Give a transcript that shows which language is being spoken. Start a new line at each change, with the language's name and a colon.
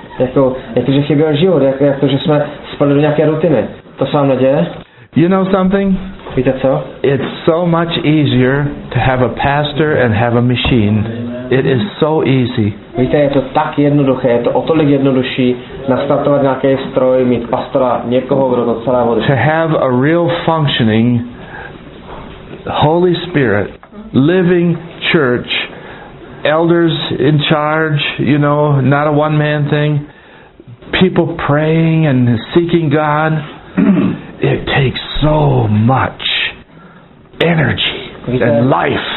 Czech: Jako že chyběl život, jako že jsme spadli do nějaké rutiny. To se vám neděje?
English: You know something?
Czech: Víte co?
English: It's so much easier to have a pastor and have a machine. It is so easy.
Czech: Víte, je to tak jednoduché, je to o tolik jednodušší nastartovat nějaký stroj, mít pastora, někoho, kdo to celé vodí.
English: To have a real functioning Holy Spirit, living church, elders in charge, you know, not a one man thing, people praying and seeking God. It takes so much energy and life.